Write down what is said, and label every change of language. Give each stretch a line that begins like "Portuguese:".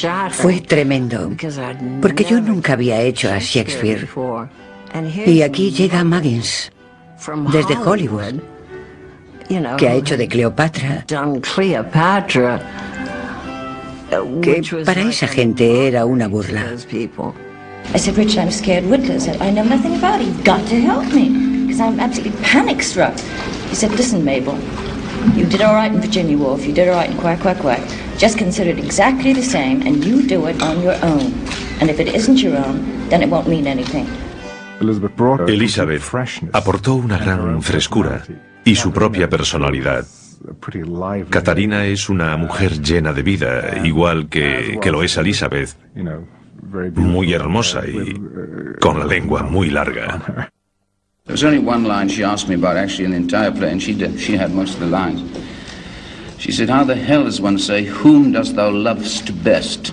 Spanish: Fue tremendo, porque yo nunca había hecho a Shakespeare. Y aquí llega Muggins, desde Hollywood, que ha hecho de Cleopatra, que para esa gente era una burla.
English: I said, Richard, I'm scared witless. I know nothing about it. You've got to help me, because I'm absolutely panic-struck. He said, listen, Mabel, you did all right in Virginia Woolf. You did all right in Quack, Quack, Quack. Just consider it exactly the same, and you do it on your own. And if it isn't your own, then it won't mean anything.
Spanish: Elizabeth aportó una gran frescura y su propia personalidad. Catarina es una mujer llena de vida, igual que lo es Elizabeth. Muy hermosa y con la lengua muy larga.
English: There's only one line she asked me about, actually, in the entire play, and she had most of the lines. She said, how the hell does one say, whom dost thou lovest best?